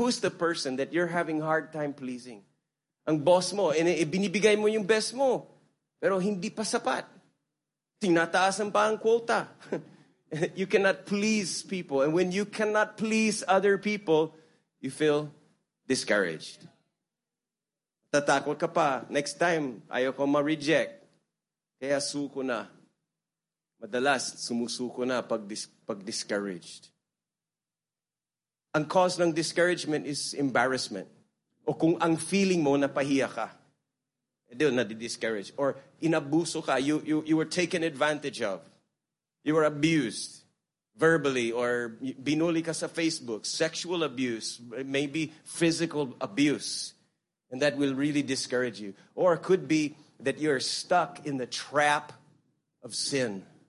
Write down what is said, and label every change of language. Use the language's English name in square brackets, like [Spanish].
[English] Who's the person that you're having hard time pleasing? [Filipino] Ang boss mo. Binibigay mo yung best mo. Pero hindi pa sapat. Tinataasan pa ang quota. [English] You cannot please people. And when you cannot please other people, you feel discouraged. [Filipino] Tatakot ka pa. [English] Next time, [Filipino] ayaw ko ma-reject. Kaya suko na. Madalas, sumusuko na pag-discouraged. [English] Ang cause ng discouragement is embarrassment. [Filipino] O kung ang feeling mo, napahiya ka. Edo, nadi-discourage. Or inabuso ka. [English] You were taken advantage of. You were abused verbally or [Filipino] binuli ka sa [English] Facebook, sexual abuse, maybe physical abuse, and that will really discourage you. Or it could be that you're stuck in the trap of sin.